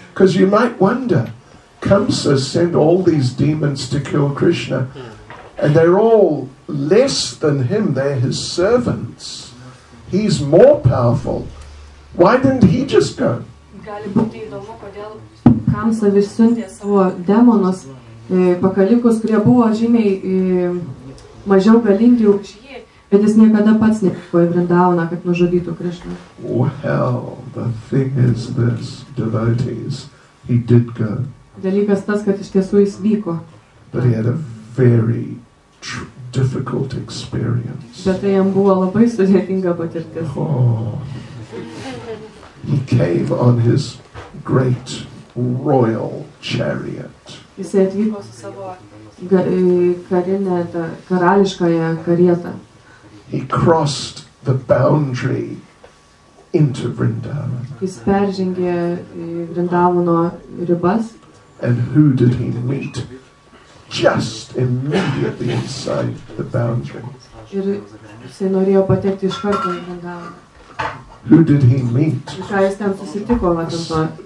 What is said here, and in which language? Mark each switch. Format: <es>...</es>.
<en>Because you might wonder, Kamsa sent all these demons to kill Krishna, and they're all less than him, they're his servants. He's more powerful. Why didn't he just go?</en> <lt>Gali būti įdomu, kodėl Kamsa vis siuntė savo demonus, pakalikus, kurie buvo žymiai mažiau galingi už jį, bet jis niekada pats nepavyko į Vrindavaną, kad nužudytų Krišną.</lt> <en>Well, the thing is this, devotees, he did go.</en> <lt>Dalykas tas, kad iš tiesų jis vyko.</lt> <en>But he had a very difficult experience.</en> <lt>Bet tai jam buvo labai sudėtinga patirtis.</lt> <en>He came on his great royal chariot.</en> <lt>Jis atvyko su savo karinę, karališkąją karietą.</lt> <en>He crossed the boundary into Vrindavan.</en> <lt>Jis peržengė Vrindavano ribas.</lt> <en>And who did he meet? Just immediately inside the boundary.</en> <lt>Ir jisai norėjo patekti iš karto į Vrindavaną.</lt> <en>Who did he meet?</en> <lt>Ką jis ten susitiko, vadinasi?</lt>